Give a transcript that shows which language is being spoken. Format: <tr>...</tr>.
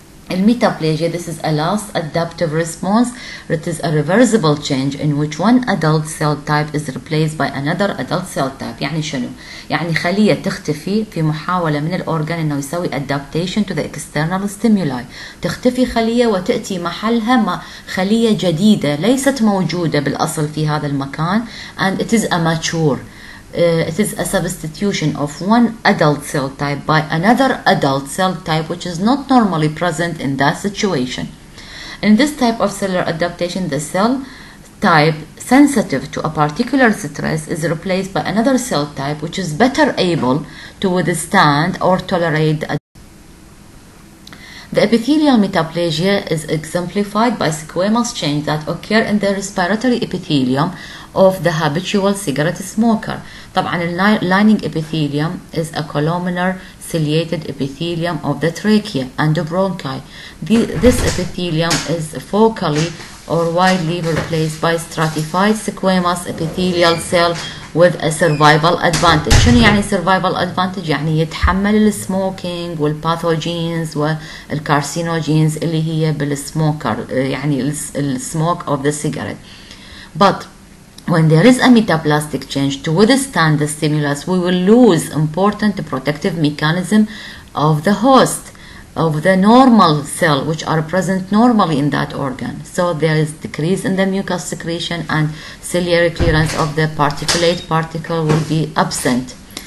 <en>الميتابلاجيا, this is a last adaptive response. It is a reversible change in which one adult cell type is replaced by another adult cell type.</en> <ar>يعني شنو؟ يعني خلية تختفي في محاولة من الأورجان إنه يسوي</ar> <en>adaptation to the external stimuli.</en> <ar>تختفي خلية وتأتي محلها خلية جديدة ليست موجودة بالأصل في هذا المكان,</ar> <en>and it is a mature. It is a substitution of one adult cell type by another adult cell type which is not normally present in that situation. In this type of cellular adaptation, the cell type sensitive to a particular stress is replaced by another cell type which is better able to withstand or tolerate. The epithelial metaplasia is exemplified by squamous change that occur in the respiratory epithelium of the habitual cigarette smoker. طبعا lining epithelium is a columnar ciliated epithelium of the trachea and the bronchi. This epithelium is focally or widely replaced by stratified squamous epithelial cell with a survival advantage.</en> <ar>شنو يعني</ar> <en>survival advantage؟</en> <ar>يعني يتحمل السموكينج والباثوجينز والكارسينوجينز اللي هي بالسموكر, يعني السموك</ar> <en>of the cigarette. But when there is a metaplastic change to withstand the stimulus, we will lose important protective mechanism of the host, of the normal cell, which are present normally in that organ. So there is decrease in the mucus secretion and ciliary clearance of the particulate particle will be absent.</en>